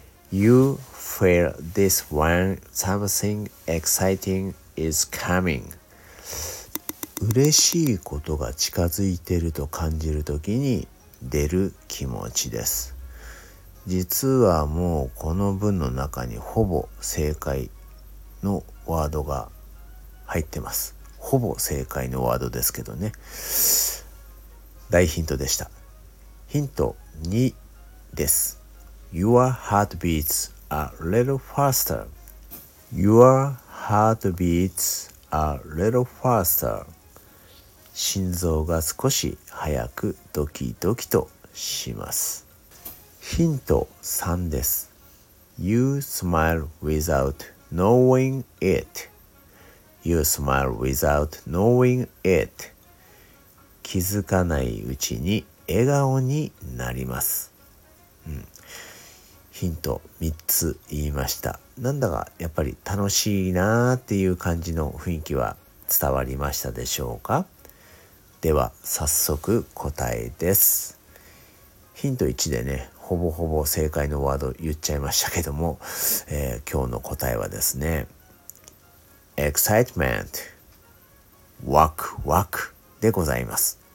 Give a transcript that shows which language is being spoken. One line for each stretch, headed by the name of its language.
English: You feel this when something exciting is coming.
Japanese: 嬉しいことが近づいてると感じるときに出る気持ちです。実はもうこの文の中にほぼ正解のワードが入ってます。ほぼ正解のワードですけどね。大ヒントでした。ヒント2です。
English: Your heart beats a little faster. Your heart beats a little faster.
Japanese: 心臓が少し早くドキドキとします。ヒント3です。
English: You smile without knowing it. You smile without knowing it.
Japanese: 気づかないうちに笑顔になります。ヒント3つ言いました。なんだかやっぱり楽しいなーっていう感じの雰囲気は伝わりましたでしょうか？では早速答えです。ヒント1でね、ほぼほぼ正解のワード言っちゃいましたけども、今日の答えはですね、 excitement、 ワクワクでございます。